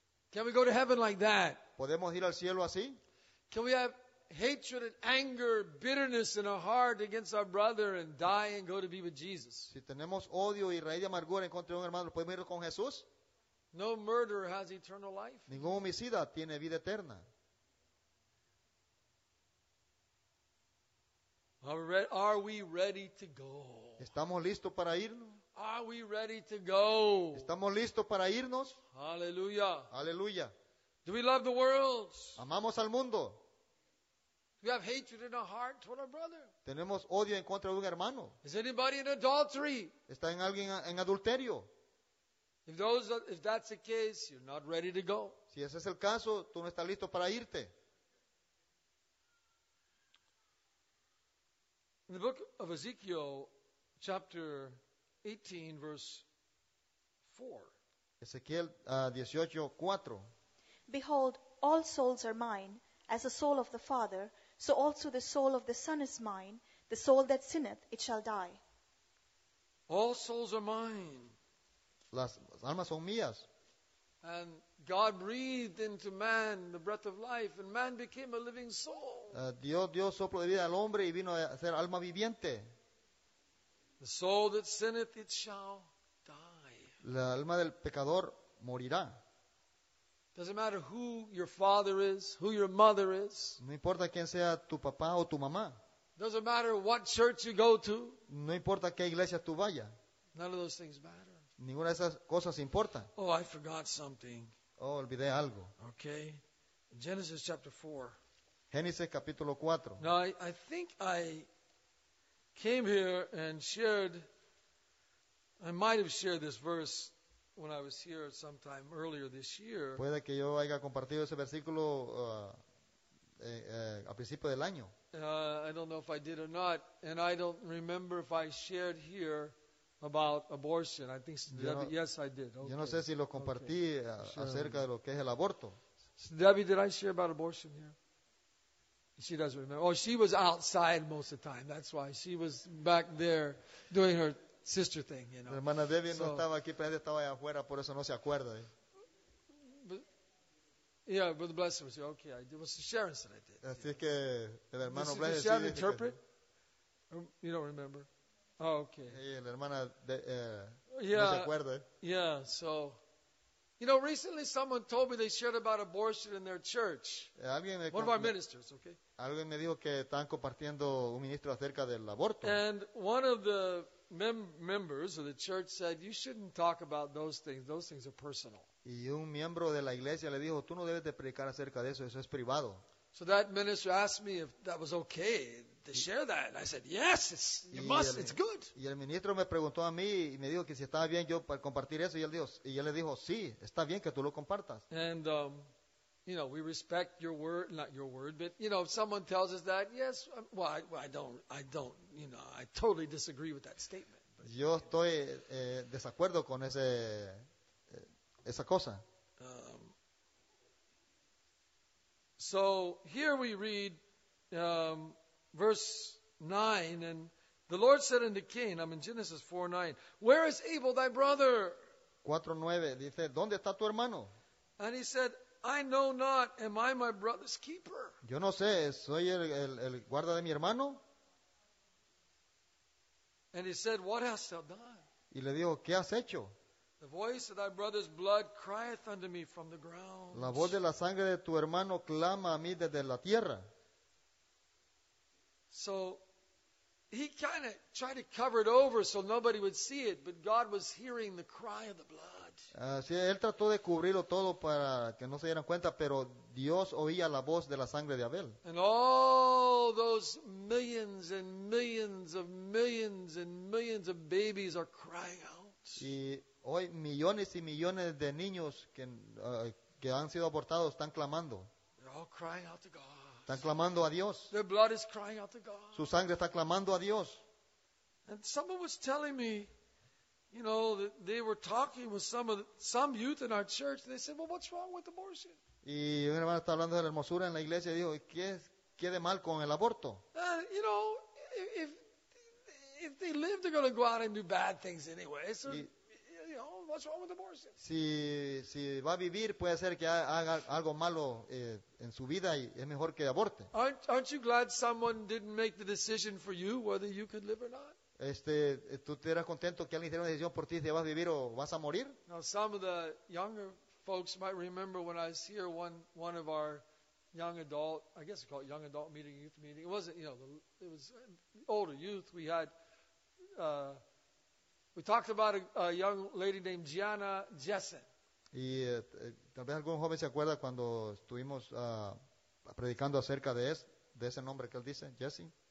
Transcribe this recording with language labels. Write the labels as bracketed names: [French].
[English] Can we go to heaven like that? [Spanish] ¿Podemos ir al cielo así? [English] Can we have hatred and anger, bitterness in our heart against our brother and die and go to be with Jesus? [Spanish] Si tenemos odio y raíz de amargura en contra de un hermano, ¿podemos ir con Jesús? [English] No murderer has eternal life. [Spanish] Ningún homicida tiene vida eterna. [English] Are we ready to go? [Spanish] ¿Estamos listos para irnos? [English] Are we ready to go? [Spanish] ¿Estamos listos para irnos? [English] Hallelujah. [Spanish] Hallelujah. [English] Do we love the world? [Spanish] ¿Amamos al mundo? [English] Do we have hatred in our heart toward our brother? [Spanish] ¿Tenemos odio en contra de un hermano? [English] Is anybody in adultery? [Spanish] ¿Está en alguien en adulterio? [English] If that's the case, you're not ready to go. [Spanish] Si ese es el caso, tú no estás listo para irte. [English] In the book of Ezekiel, chapter 18, verse 4. [Spanish] Ezequiel 18:4. [English] Behold, all souls are mine, as the soul of the Father, so also the soul of the Son is mine. The soul that sinneth, it shall die. All souls are mine. [Spanish] Las almas son mías. [English] And God breathed into man the breath of life, and man became a living soul. [Spanish] Dios sopló de vida al hombre y vino a ser alma viviente. [English] The soul that sinneth, it shall die. [Spanish] La alma del pecador morirá. [English] Doesn't matter who your father is, who your mother is. [Spanish] No importa quién sea tu papá o tu mamá. [English] Doesn't matter what church you go to. [Spanish] No importa qué iglesia tú vaya. [English] None of those things matter. [Spanish] Ninguna de esas cosas importa. [English] Oh, I forgot something. [Spanish] Oh, olvidé algo. [English] Okay. Genesis chapter 4. [Spanish] Génesis capítulo 4. [English] Now, I think I came here and shared, I might have shared this verse when I was here sometime earlier this year. [Spanish] Puede que yo haya compartido ese versículo a principio del año. [English] I don't know if I did or not, and I don't remember if I shared here about abortion. I think Debbie, yes, I did. Okay. [Spanish] Yo no sé si lo compartí acerca de lo que es el aborto. [English] Debbie, did I share about abortion here? She doesn't remember. Oh, she was outside most of the time. That's why she was back there doing her sister thing, you know. [Spanish] La hermana Debbie no estaba aquí, pero ella estaba allá afuera, por eso no se acuerda. [English] Yeah, Brother Blessed was here. Okay, it was Sharon's that I did. [Spanish] Así que el hermano [English] Blessed. Did Sharon interpret? You don't remember? Oh, okay. [Spanish] Yeah, la hermana no se acuerda. [English] Yeah, so, you know, recently someone told me they shared about abortion in their church. One of our ministers, okay? [Spanish] Alguien me dijo que estaban compartiendo un ministro acerca del aborto. [English] And one of the members of the church said, you shouldn't talk about those things. Those things are personal. [Spanish] Y un miembro de la iglesia le dijo, tú no debes de predicar acerca de eso, eso es privado. [English] So that minister asked me if that was okay to share that. And I said, yes, it's good. [Spanish] Y el ministro me preguntó a mí y me dijo que si estaba bien yo para compartir eso. Y él le dijo, sí, está bien que tú lo compartas. [English] And, you know, we respect your word, not your word, but, you know, if someone tells us that, yes, I don't, you know, I totally disagree with that statement. But, [Spanish] yo estoy desacuerdo con ese... esa cosa. [English] So here we read verse 9, and the Lord said unto Cain, I'm in Genesis 4:9, where is Abel thy brother? [Spanish] 4:9 dice, ¿dónde está tu hermano? [English] And he said, I know not, am I my brother's keeper? [Spanish] Yo no sé, soy el guarda de mi hermano. [English] And he said, what hast thou done? [Spanish] Y le dijo, ¿qué has hecho? [English] The voice of thy brother's blood crieth unto me from the ground. [Spanish] La voz de la sangre de tu hermano clama a mí desde la tierra. [English] So he kind of tried to cover it over so nobody would see it, but God was hearing the cry of the blood. [Spanish] Sí, él trató de cubrirlo todo para que no se dieran cuenta, pero Dios oía la voz de la sangre de Abel. [English] And all those millions and millions of millions and millions of babies are crying out. [Spanish] Y hoy millones y millones de niños que han sido abortados están clamando. [English] They're all crying out to God. [Spanish] Están clamando a Dios. [English] Their blood is crying out to God. [Spanish] Su sangre está clamando a Dios. [English] And someone was telling me, you know, that they were talking with some youth in our church, and they said, well, what's wrong with abortion? [Spanish] Y un hermano está hablando de la hermosura en la iglesia y dijo, ¿qué de mal con el aborto? [English] You know, if they live, they're going to go out and do bad things anyway. So, what's wrong with abortion? [Spanish] Si va a vivir, puede ser que haga algo malo en su vida y es mejor que aborte. [English] Aren't you glad someone didn't make the decision for you whether you could live or not? [Spanish] ¿Tú te eras contento que alguien hiciera una decisión por ti si vas a vivir o vas a morir? [English] Now, some of the younger folks might remember when I was here, one of our young adult, I guess we call it young adult meeting, youth meeting. It wasn't, you know, it was older youth. We had... We talked about a young lady named Gianna Jessen. [Spanish] Y tal vez algún joven se acuerda cuando estuvimos predicando acerca de ese nombre que él dice, Jessie.